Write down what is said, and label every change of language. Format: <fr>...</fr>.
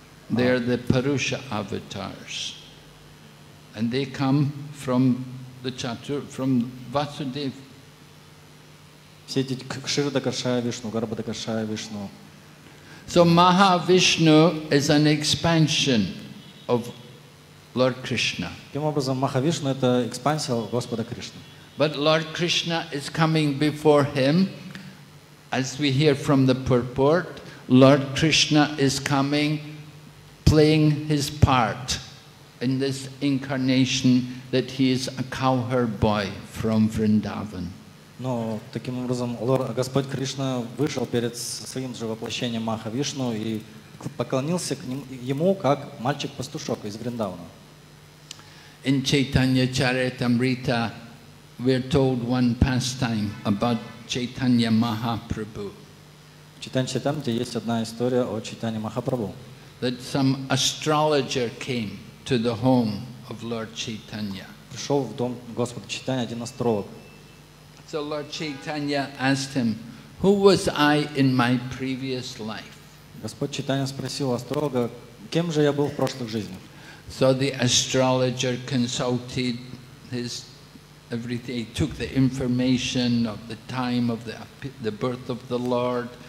<en>They are the Purusha avatars, and they come from the Chatur from Vasudev.</en> <ru>Все эти Кширодакаршая Вишну, Гарбодакаршая Вишну.</ru> <en>So Mahavishnu is an expansion of Lord Krishna.</en> <ru>Таким образом, Махавишна — это экспансия Господа Кришны.</ru> <en>But Lord Krishna is coming before him, as we hear from the purport. Lord Krishna is coming, playing his part in this incarnation that he is a cowherd boy from Vrindavan.</en> <ru>Но таким образом Господь Кришна вышел перед своим же воплощением Махавишну и поклонился ему как мальчик-пастушок из Вриндавана.</ru> <en>In Chaitanya Charitamrita we are told one pastime about Chaitanya Mahaprabhu.</en> <ru>В Чайтанья Чаритамрите есть одна история о Чайтанье Махапрабху.</ru> <en>That some astrologer came to the home of Lord Chaitanya.</en> <ru>Пришел в дом Господа Чайтанья один астролог.</ru> <en>So Lord Chaitanya asked him, "Who was I in my previous life?"</en> <ru>Господь Чайтанья спросил астролога, кем же я был в прошлых жизнях.</ru> <en>So the astrologer consulted his everything. He took the information of the time of the birth of the Lord.</en>